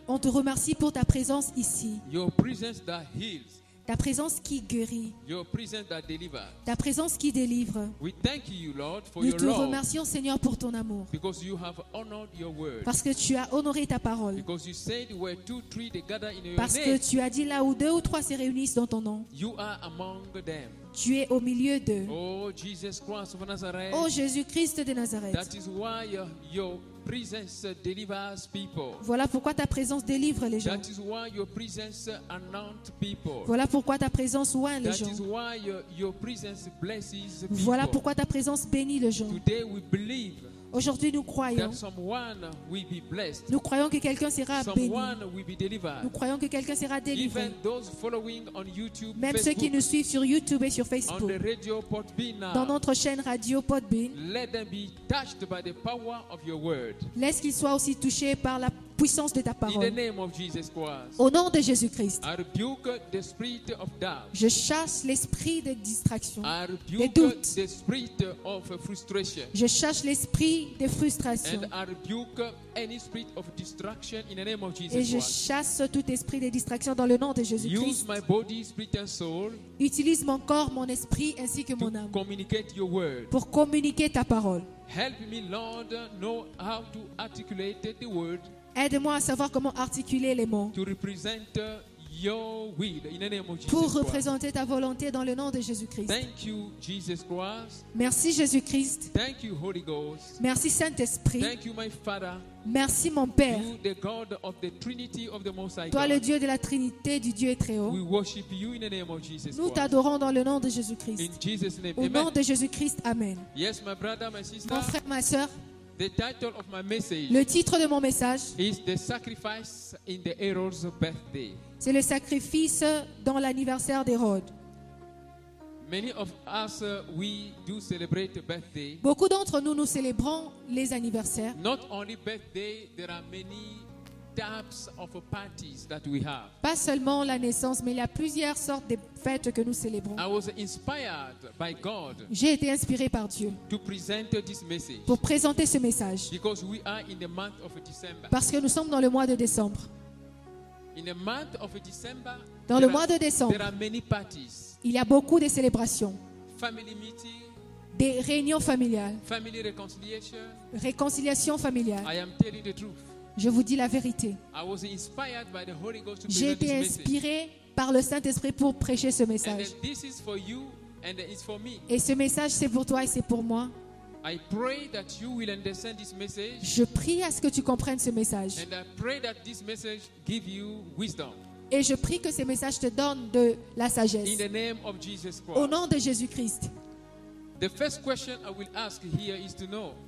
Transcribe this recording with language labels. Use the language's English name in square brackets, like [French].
[French] On te remercie pour ta présence ici. [English] Your presence that heals. [French] Ta présence qui guérit. [English] Your presence that delivers. [French] Ta présence qui délivre. [English] We thank you, Lord, for [French] Nous [English] your [French] te remercions, [English] love. [French] Seigneur, pour ton amour. [English] Because you have honored your word. [French] Parce que tu as honoré ta parole. [English] Because you said where two, three, they gather in your [French] Parce [English] name. [French] Que tu as dit là où deux ou trois se réunissent dans ton nom. [English] You are among them. [French] Tu es au milieu d'eux. [English] Oh, Jesus Christ of Nazareth. [French] Oh, Jésus-Christ de Nazareth. [English] That is why your presence delivers people. [French] Voilà pourquoi ta présence délivre les gens. [English] That is why your presence anoints people. [French] Voilà pourquoi ta présence oint les [English] That [French] gens. [English] Is why your presence blesses people. [French] Voilà pourquoi ta présence bénit les gens. [English] Today we believe [French] Aujourd'hui, nous croyons. [English] That someone will be blessed. [French] Nous croyons que quelqu'un sera [English] someone [French] béni. [English] Will be delivered. [French] Nous croyons que quelqu'un sera délivré. [English] Even those following on YouTube, [French] Même Facebook, ceux qui nous suivent sur YouTube et sur Facebook, [English] on the radio Podbean now, [French] dans notre chaîne Radio Podbean, [English] let them be touched by the power of your word. [French] Laisse qu'ils soient aussi touchés par la puissance de ta parole. [English] In the name of Jesus Christ, [French] Au nom de Jésus-Christ, [English] I rebuke the spirit of doubt. [French] Je chasse l'esprit de distraction, [English] I rebuke [French] de doute. [English] The spirit of frustration. [French] Je chasse l'esprit de frustration. [English] And I rebuke any spirit of distraction in the name of Jesus [French] Et je chasse tout esprit de distraction dans le nom de Jésus-Christ. [English] Use my body, spirit and soul, [French] Utilise mon corps, mon esprit ainsi que [English] to [French] mon âme [English] communicate your word. [French] Pour communiquer ta parole. [English] Help me, Lord, know how to articulate the word. [French] Aide-moi à savoir comment articuler les mots [English] to represent your will in the name of Jesus [French] pour représenter ta volonté dans le nom de Jésus-Christ. [English] Thank you, Jesus Christ. [French] Merci Jésus-Christ. [English] Thank you, Holy Ghost. [French] Merci Saint-Esprit. [English] Thank you, my Father. [French] Merci mon Père. [English] You, the God of the Trinity of the Most High [French] Toi Le Dieu de la Trinité, du Dieu très haut. [English] We worship you in the name of Jesus [French] Nous t'adorons dans le nom de Jésus-Christ. [English] In Jesus name. [French] Au [English] Amen. [French] Nom de Jésus-Christ, Amen. [English] Yes, my brother, my sister. [French] Mon frère, ma sœur. [English] The title of my message [French] Le titre de mon message [English] is the sacrifice in the Herod's birthday. [French] C'est le sacrifice dans l'anniversaire d'Hérode. [English] Many of us we do celebrate birthday. [French] Beaucoup d'entre nous nous célébrons les anniversaires. [English] Not only birthday, there are many types of parties that we have. [French] Pas seulement la naissance, mais il y a plusieurs sortes de fêtes que nous célébrons. [English] I was inspired by God. [French] J'ai été inspiré par Dieu. [English] To present this message. [French] Pour présenter ce message. [English] Because we are in the month of December. [French] Parce que nous sommes dans le mois de décembre. [English] In the month of December, [French] dans le mois de décembre, [English] there are many parties. [French] Il y a beaucoup de célébrations. [English] Family meeting, [French] des réunions familiales. [English] Family reconciliation. [French] Réconciliation familiale. [English] I am telling the truth. [French] Je vous dis la vérité. [English] I was inspired by the Holy Ghost to [French] J'ai été inspiré par le Saint-Esprit pour prêcher ce message. [English] And this is for you and it's for me. [French] Et ce message, c'est pour toi et c'est pour moi. [English] I pray that you will understand this message. [French] Je prie à ce que tu comprennes ce message. [English] And I pray that this message give you wisdom. [French] Et je prie que ce message te donne de la sagesse. [English] In the name of Jesus Christ. [French] Au nom de Jésus-Christ. [English] The first question I will ask here is to know.